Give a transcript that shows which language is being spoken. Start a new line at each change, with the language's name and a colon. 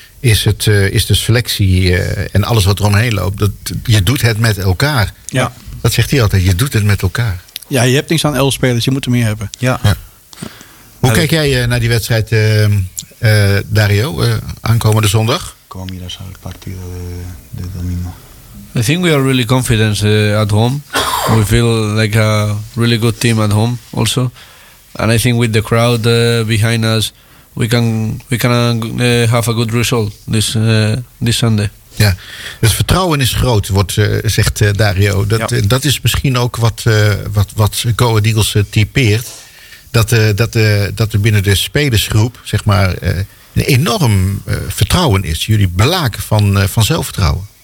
Dutch: Is de selectie en alles wat eromheen loopt, dat je doet het met elkaar. Ja. Dat zegt hij altijd, je doet het met elkaar. Ja, je hebt niks aan 11 spelers, je moet er meer hebben. Ja. Hoe kijk jij naar die wedstrijd, Dario, aankomende zondag?
English: I think we are really confident at home. We feel like a really good team at home also. And I think with the crowd behind us, We can have a good result this Sunday.
Dutch: Ja, het vertrouwen is groot, zegt Dario. Dat is misschien ook wat Go Ahead Eagles typeert. Dat er binnen de spelersgroep zeg maar een enorm vertrouwen is. Jullie blaken van zelfvertrouwen.